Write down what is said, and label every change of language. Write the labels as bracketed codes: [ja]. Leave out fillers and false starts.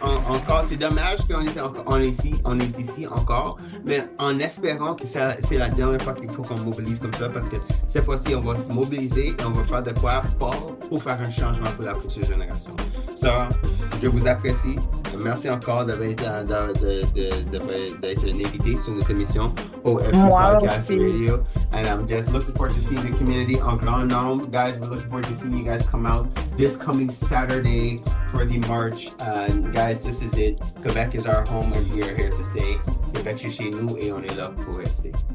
[fr] Encore, c'est dommage qu'on est ici encore, mais en espérant que c'est la dernière fois qu'il faut qu'on mobilise comme ça, parce que cette fois-ci, on va se mobiliser et on va faire de quoi fort pour faire un changement pour la future génération. Sœur, je vous apprécie. Merci encore d'être un invité sur notre émission OFC Moi [en] Podcast [fr] aussi. [en] Radio. And I'm just looking forward to seeing the community [fr] en grand nombre. [en] Guys, we're looking forward to seeing you guys come out this coming Saturday for the march. And guys, this is it. Quebec is our home and we are here to stay. [fr] Quebec est chez nous et on est là pour rester.